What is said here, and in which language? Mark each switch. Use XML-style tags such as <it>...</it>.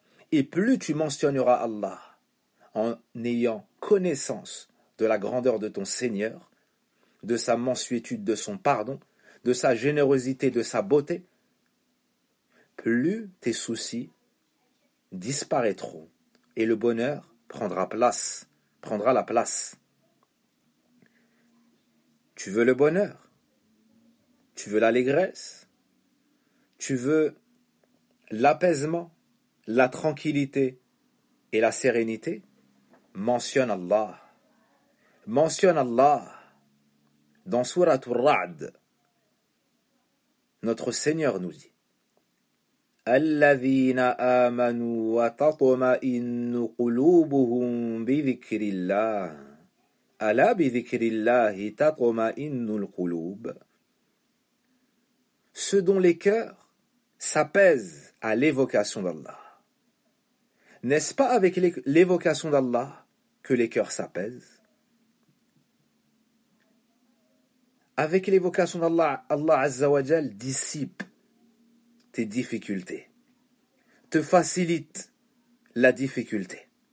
<fr>Et plus tu mentionneras Allah en ayant connaissance de la grandeur de ton Seigneur, de sa mansuétude, de son pardon, de sa générosité, de sa beauté, plus tes soucis disparaîtront et le bonheur prendra la place. Tu veux le bonheur? Tu veux l'allégresse? Tu veux l'apaisement, la tranquillité et la sérénité? Mentionne Allah. Mentionne Allah. Dans Sourate Ar-Ra'd, notre Seigneur nous dit</fr> <ar>الذين آمنوا وتطمئن قلوبهم بذكر الله ألا بذكر الله تطمئن القلوب.</ar> <fr>Ceux dont les cœurs s'apaisent à l'évocation d'Allah. N'est-ce pas avec l'évocation d'Allah que les cœurs s'apaisent? Avec l'évocation d'Allah, Allah Azza wa Jal dissipe tes difficultés, te facilite la difficulté.</fr>